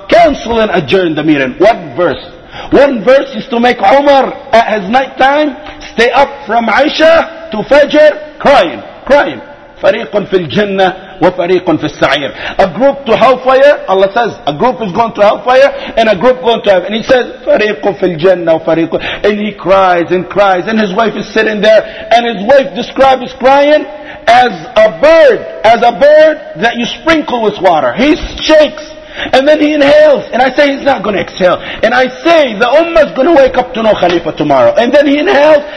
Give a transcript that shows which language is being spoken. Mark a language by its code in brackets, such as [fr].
[en] Cancel and adjourn the meeting. One verse. One verse is to make Umar at his night time stay up from Aisha to Fajr crying. Crying. [ar] فَرِيقٌ فِي الْجَنَّةِ وَفَرِيقٌ فِي السَّعِيرِ. [en] A group to hellfire, Allah says, a group is going to hellfire, and a group going to heaven. And he says, [ar] فَرِيقٌ فِي الْجَنَّةِ وَفَرِيقٌ. [en] And he cries and cries, and his wife is sitting there, and his wife describes his crying as a bird that you sprinkle with water. He shakes, and then he inhales. And I say, he's not going to exhale. And I say, the ummah is going to wake up to know Khalifa tomorrow. And then he inhales.